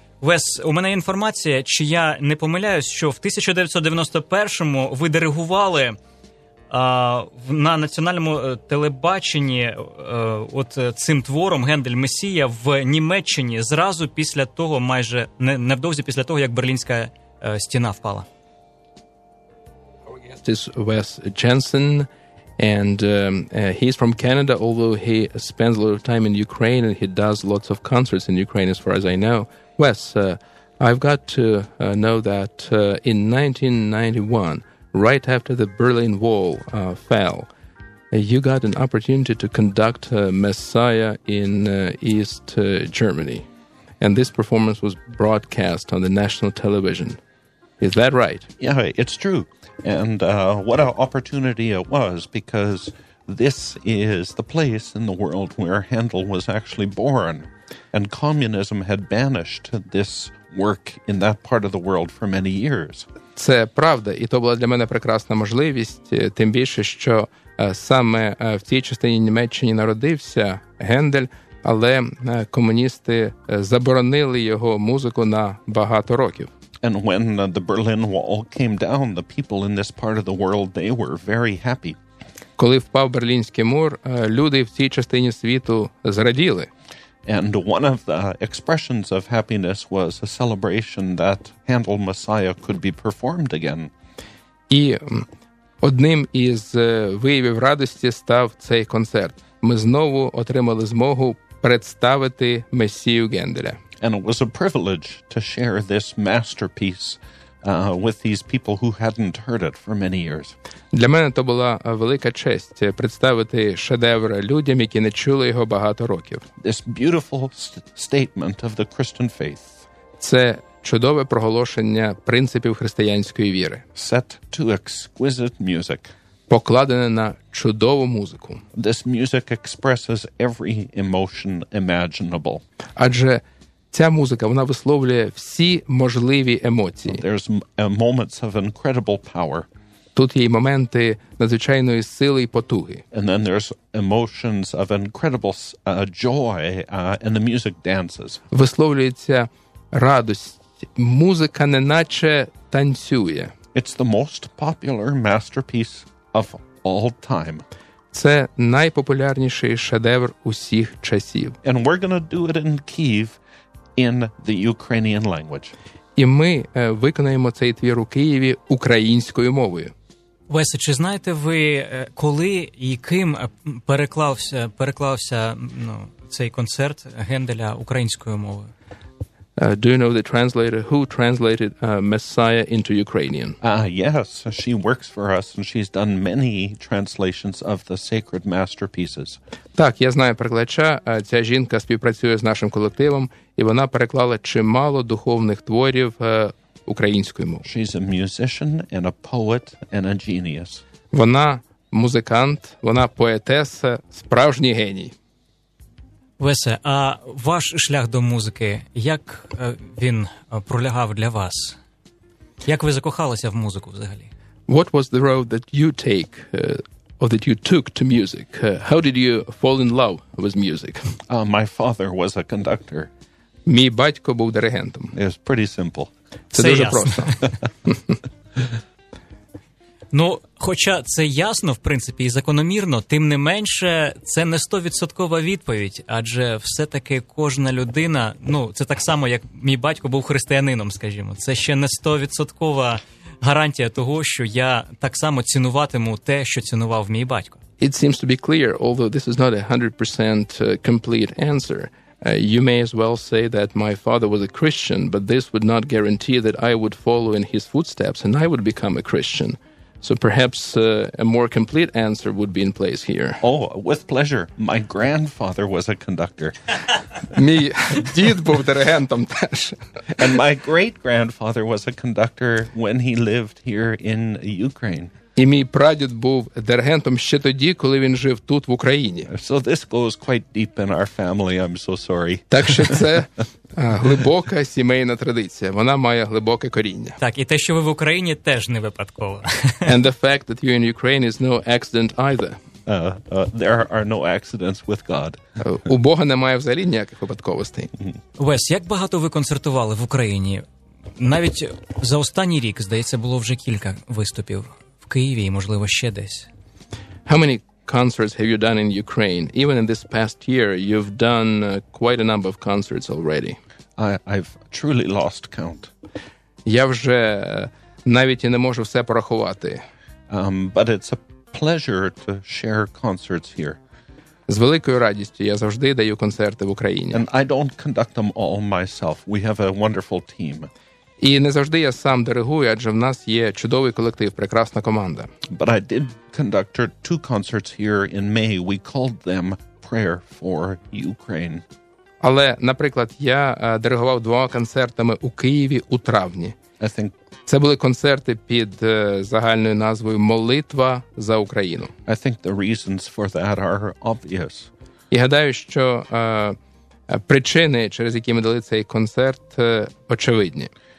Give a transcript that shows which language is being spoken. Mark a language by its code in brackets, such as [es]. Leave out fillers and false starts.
[uk] Вес, у мене інформація, чи я не помиляюсь, що в 1991-му ви диригували на національному телебаченні от цим твором «Гендель Месія» в Німеччині зразу після того, майже невдовзі після того, як Берлінська стіна впала. [en] Our guest is Wes Jensen, and he's from Canada, although he spends a lot of time in Ukraine and he does lots of concerts in Ukraine, as far as I know. Wes, I've got to know that in 1991, right after the Berlin Wall fell, you got an opportunity to conduct Messiah in East Germany. And this performance was broadcast on the national television. Is that right? Yeah, it's true. And what an opportunity it was, because this is the place in the world where Handel was actually born. And communism had banished this work in that part of the world for many years. [uk] Це правда, і то була для мене прекрасна можливість, тим більше, що саме в цій частині Німеччини народився Гендель, але комуністи заборонили його музику на багато років. [en] And when the Berlin Wall came down, the people in this part of the world, they were very happy. [uk] Коли впав Берлінський мур, люди в цій частині світу зраділи. [en] And one of the expressions of happiness was a celebration that Handel Messiah could be performed again. [uk] І одним із виявів радості став цей концерт. Ми знову отримали змогу представити Месію Генделя. [en] And it was a privilege to share this masterpiece with these people who hadn't heard it for many years. [uk] Для мене то була велика честь представити шедевр людям, які не чули його багато років. [en] This beautiful statement of the Christian faith. [uk] Це чудове проголошення принципів християнської віри. [en] Set to exquisite music. [uk] Покладене на чудову музику. [en] This music expresses every emotion imaginable. [uk] Адже ця музика, вона висловлює всі можливі емоції. [en] There's moments of incredible power. [uk] Тут є моменти надзвичайної сили і потуги. [en] And then there's emotions of incredible joy, and the music dances. [uk] Висловлюється радость. Музика неначе танцює. [en] It's the most popular masterpiece of all time. [uk] Це найпопулярніший шедевр усіх часів. [en] And we're going to do it in Kyiv. In the Ukrainian language. [uk] І ми виконаємо цей твір у Києві українською мовою. Весе, чи знаєте ви, коли і ким переклався цей концерт Генделя українською мовою? [en] Do you know the translator who translated Messiah into Ukrainian? Yes, she works for us and she's done many translations of the sacred masterpieces. [uk] Так, я знаю перекладача, ця жінка співпрацює з нашим колективом, і вона переклала чимало духовних творів українською мовою. [en] She's a musician and a poet and a genius. [uk] Вона музикант, вона поетеса, справжній геній. Весе, а ваш шлях до музики, як він пролягав для вас? Як ви закохалися в музику взагалі? [en] What was the road that you take or that you took to music? How did you fall in love with music? My father was a conductor. [uk] Мій батько був диригентом. [en] It's pretty simple. [uk] Це дуже ясно. Просто. Ну, хоча це ясно, в принципі, і закономірно, тим не менше, це не 100% відповідь, адже все-таки кожна людина, ну, це так само, як мій батько був християнином, скажімо, це ще не 100% гарантія того, що я так само цінуватиму те, що цінував мій батько. [en] It seems to be clear, although this is not a 100% complete answer. You may as well say that my father was a Christian, but this would not guarantee that I would follow in his footsteps and I would become a Christian. So perhaps a more complete answer would be in place here. Oh, with pleasure. My grandfather was a conductor. [uk] Мій дід був диригентом теж. [en] And my great-grandfather was a conductor when he lived here in Ukraine. [uk] І мій прадід був диригентом ще тоді, коли він жив тут в Україні. [en] So this goes quite deep in our family. I'm so sorry. [uk] Так що це глибока сімейна традиція. Вона має глибоке коріння. Так, і те, що ви в Україні, теж не випадково. [en] And the fact that you're in Ukraine is no accident either. There are no accidents with God. [uk] У Бога немає взагалі ніяких випадковостей. Вес, як багато ви концертували в Україні? Навіть за останній рік, здається, було вже кілька виступів в Києві і, можливо, ще десь. [en] How many concerts have you done in Ukraine? Even in this past year, you've done quite a number of concerts already. I've truly lost count. [uk] Я вже навіть і не можу все порахувати. [en] But it's a pleasure to share concerts here. [uk] З великою радістю я завжди даю концерти в Україні. [en] And I don't conduct them all myself. We have a wonderful team. [uk] І не завжди я сам диригую, адже в нас є чудовий колектив, прекрасна команда. [en] But I did conduct two concerts here in May. We called them Prayer for Ukraine. [uk] Але, наприклад, я диригував двома концертами у Києві у травні. [en] I think [uk] це були концерти під загальною назвою Молитва за Україну. [en] I think the reasons for that are obvious. [uk] І гадаю, що причини, через які ми дали цей концерт, очевидні.